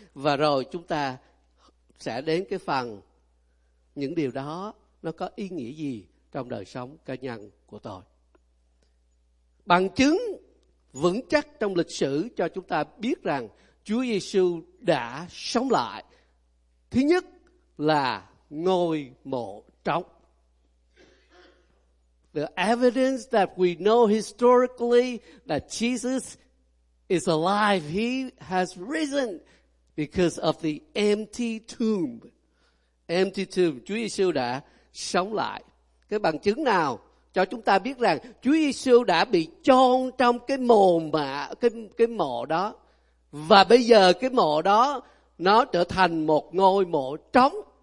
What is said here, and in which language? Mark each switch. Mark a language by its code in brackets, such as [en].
[vi] Và rồi chúng ta sẽ đến cái phần những điều đó nó có ý nghĩa gì trong đời sống cá nhân của tôi. Bằng chứng vững chắc trong lịch sử cho chúng ta biết rằng Chúa Giêsu đã sống lại. Thứ nhất là ngôi mộ trống. [en] The evidence that we know historically that Jesus is alive, he has risen because of the empty tomb. [vi] Empty tomb, Chúa Giêsu đã sống lại. Cái bằng chứng nào cho chúng ta biết rằng Chúa Giêsu đã bị chôn trong cái mồ mả, cái mộ đó, và bây giờ cái mộ đó nó trở thành một ngôi mộ trống?